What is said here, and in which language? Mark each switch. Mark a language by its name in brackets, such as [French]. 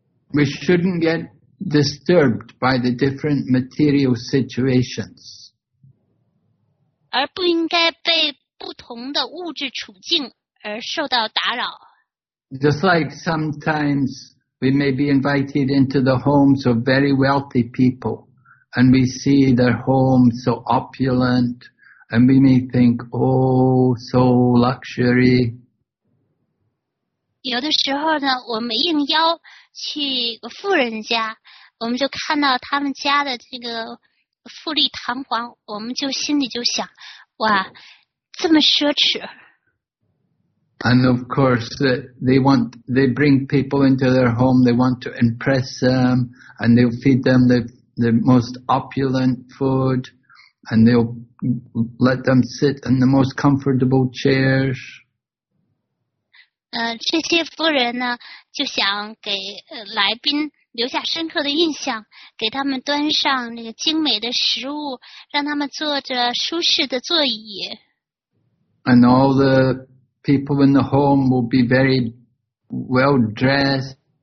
[English] We shouldn't get disturbed by the different material situations. [Chinese] 而不应该被不同的物质处境而受到打扰。 [English] Just like sometimes we may be invited into the homes of very wealthy people and we see their homes so opulent,And we may think, oh, so luxury. [Chinese] 有的时候呢，我们应邀去富人家，我们就看到他们家的这个富丽堂皇，我们就心里就想，哇，这么奢侈。 [English] And of course, they bring people into their home. They want to impress them, and they'll feed them the most opulent food. And they'll let them sit in the most comfortable chairs. [Chinese] 这些夫人呢，就想给来宾留下深刻的印象，给他们端上那个精美的食物，让他们坐着舒适的座椅。 [English] And all the people in the home will be very well dressed.